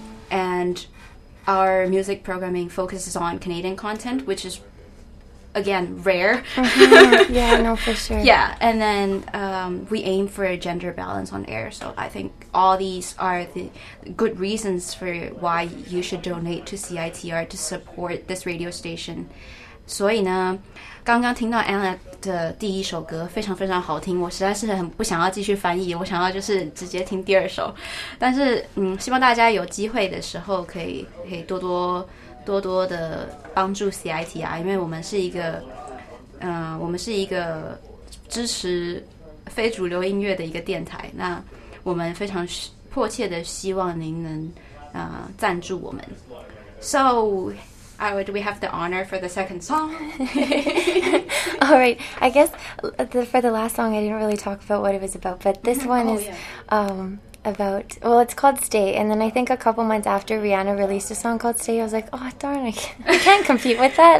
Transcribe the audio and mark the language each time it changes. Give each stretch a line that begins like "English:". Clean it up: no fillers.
English: And our music programming focuses on Canadian content, which is, again, rare. Yeah, and then we aim for a gender balance on air. So I think all these are the good reasons for why you should donate to CITR to support this radio station.
Chinese: 所以呢, 刚刚听到Anna的第一首歌 非常非常好听, 我实在是很不想要继续翻译, 我想要就是直接听第二首, 但是, 希望大家有机会的时候 可以多多的帮助CITR, 因为我们是一个, 我们是一个支持非主流音乐的一个电台, 那我们非常迫切的希望您能, 赞助我们。
English: So, do we have the honor for the second song? All right. I guess for the last song, I didn't really talk about what it was about, but this one about, well, it's called Stay, and then I think a couple months after Rihanna released a song called Stay, I was like, oh, darn, I can't compete with that.